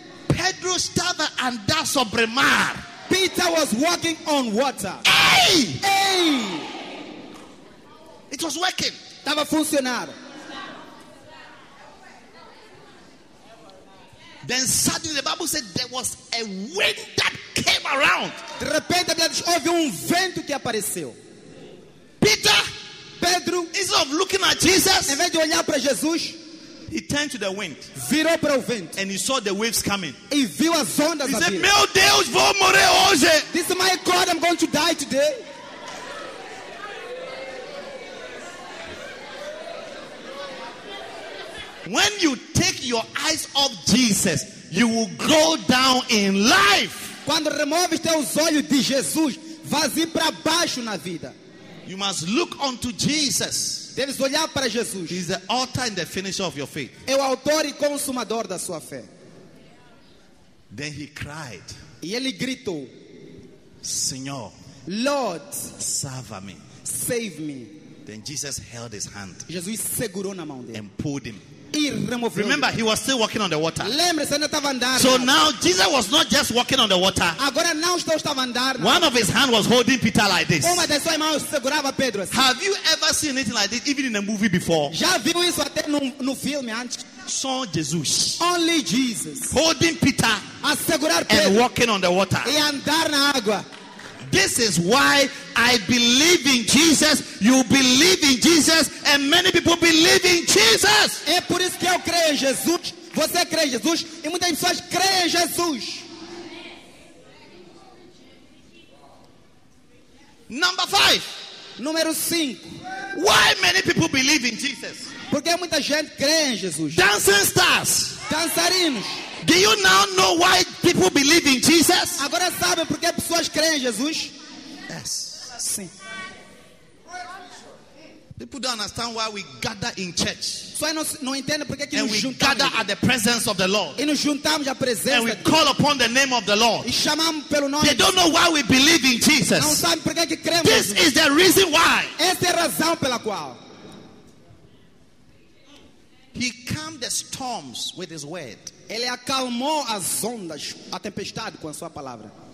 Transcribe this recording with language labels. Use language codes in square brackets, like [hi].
[pt] Pedro estava andando sobre mar. [en] Peter was walking on water. Hey! Hey! It was working. [pt] Estava funcionando. [en] Then suddenly the Bible said there was a wind that came around. [pt] De repente a Bíblia diz, houve vento que apareceu. [en] Peter, [pt] Pedro, [en] instead of looking at Jesus, [pt] em vez de olhar para Jesus, [en] he turned to the wind. [pt] Virou para o vento. [en] And he saw the waves coming. [pt] E viu as ondas a vir. [en] He said, [pt] meu Deus, vou morrer hoje. [en] This is my God, I'm going to die today. When you take your eyes off Jesus, you will go down in life. [pt] Quando removes teus olhos de Jesus, vas ir para baixo na vida. [en] You must look unto Jesus. [pt] Deves olhar para Jesus. [en] He is the author and the finisher of your faith. [pt] É o autor e consumador da sua fé. [en] Then he cried. [pt] E ele gritou. Senhor, [en] Lord, save me. Save me. Then Jesus held his hand. [pt] Jesus segurou na mão dele. [en] And pulled him. [pt] E [en] remember, he was still walking on the water. [pt] Lembre-se, ainda estava andando. [en] So now Jesus was not just walking on the water. [pt] Agora não estava andando. [en] One of his hands was holding Peter like this. [pt] Uma das suas mãos segurava Pedro. [en] Have you ever seen anything like this, even in a movie before? [pt] Já viu isso até no filme antes? Só Jesus. [en] Only Jesus. Holding Peter. [pt] A segurar Pedro. [en] And walking on the water. [pt] E andar na água. [en] This is why I believe in Jesus. You believe in Jesus, and many people believe in Jesus. [pt] É por isso que eu creio em Jesus. Você crê em Jesus, e muitas pessoas creem em Jesus. [en] Number 5. [pt] Número 5. [en] Why many people believe in Jesus? [pt] Porque muita gente crê em Jesus. [en] Dancing stars. [pt] Dançarinos. [en] Do you now know why people believe in Jesus? [pt] Agora sabe por que pessoas creem em Jesus? [en] Yes. [pt] Sim. [en] People don't understand why we gather in church. [pt] Só não entendem por que nos juntamos. [en] And we gather at the presence of the Lord. [pt] E nos juntamos à presença. [en] And we call upon the name of the Lord. [pt] E chamamos pelo nome. [en] They don't know why we believe in Jesus. [pt] Não sabem por que cremos. [en] This is the reason why. [pt] Essa é a razão pela qual. [en] He calmed the storms with his word. [pt] Ele acalmou as ondas, a tempestade com a sua palavra.